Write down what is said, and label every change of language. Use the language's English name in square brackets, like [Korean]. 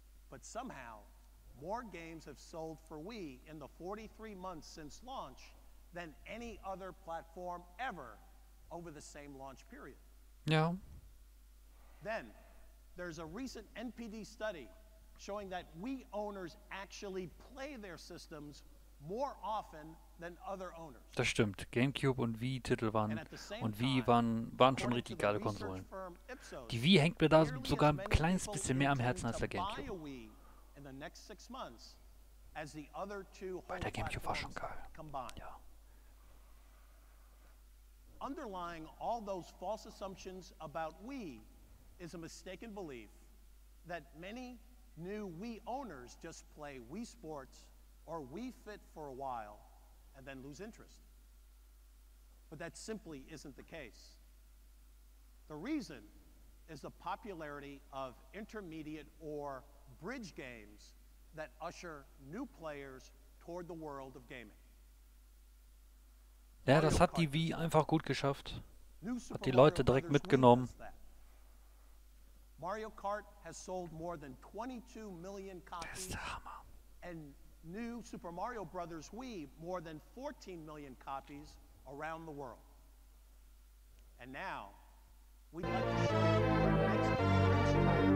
[English] But somehow, more games have sold for Wii in the 43 months since launch than any other platform ever over the same launch period. Yeah. Then, there's a recent NPD study showing that Wii owners actually play their systems more often than other owners. [German] Das stimmt. GameCube und Wii-Titel waren und Wii waren schon richtig geile Konsolen. Die Wii hängt mir da sogar ein kleines bisschen mehr am Herzen als der GameCube. Bei der GameCube war schon geil. Ja. [English] Underlying all those false assumptions about Wii is a mistaken belief that many new Wii owners just play Wii Sports or Wii Fit for a while and then lose interest. But that simply isn't the case. The reason is the popularity of intermediate or bridge games that usher new players toward the world of gaming. [German] Ja, das hat die Wii einfach gut geschafft. Hat die Leute direkt mitgenommen. [English] Mario Kart has sold more than 22 million copies. [German] Das ist der Hammer. [English] And New Super Mario Brothers Wii more than 14 million copies around the world. And now we'd like to show you our next